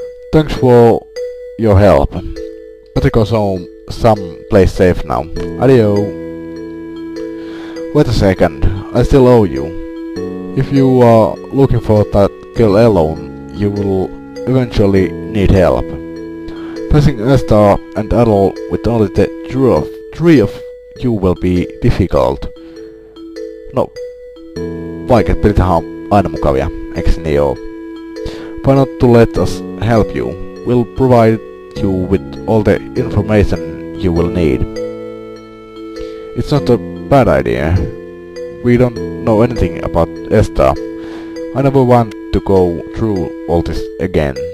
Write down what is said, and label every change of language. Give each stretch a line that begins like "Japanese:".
English: Thanks for your help. Better go some place safe now. Adio. Wait a second. I still owe you. If you are looking for that girl alone, you will eventually need help. Passing Esther and Adol with only the three of you will be difficult. No.
Finnish: Vaikeat pelit on aina mukavia, eiks niin oo?
English: Why not to let us help you? We'll provide you with all the information you will need. It's not a bad idea. We don't know anything about Esther. I never want to go through all this again.